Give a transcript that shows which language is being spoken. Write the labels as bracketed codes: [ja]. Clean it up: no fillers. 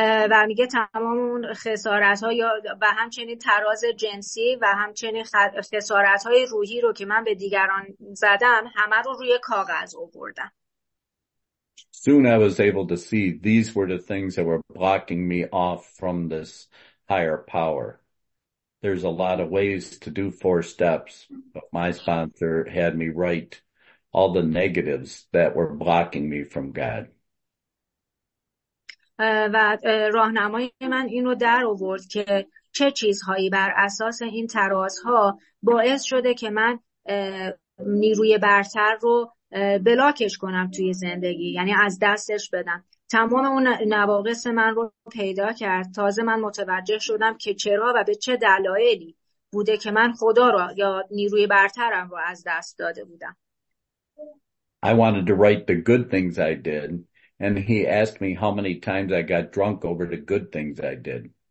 [fa] و میگه تمام اون خسارت ها و همچنین تراز جنسی و همچنین خسارت های روحی رو که من به دیگران زدم همه رو روی کاغذ آوردم. [en] Soon I was able to see these were the things that were blocking me off from this higher power. There's a lot of ways to do four steps, but my sponsor had me write all the negatives that were blocking me from God. [fa] و راهنمای من اینو در آورد که چه چیزهایی بر اساس این ترازها باعث شده که من نیروی برتر رو بلاکش کنم توی زندگی، یعنی از دستش بدم. تمام اون نواقص من رو پیدا کرد. تازه من متوجه شدم که چرا و به چه دلایلی بوده که من خدا رو یا نیروی برترم رو از دست داده بودم. [en] I wanted to write the good things I did. And he asked me how many times I got drunk over the good things I did.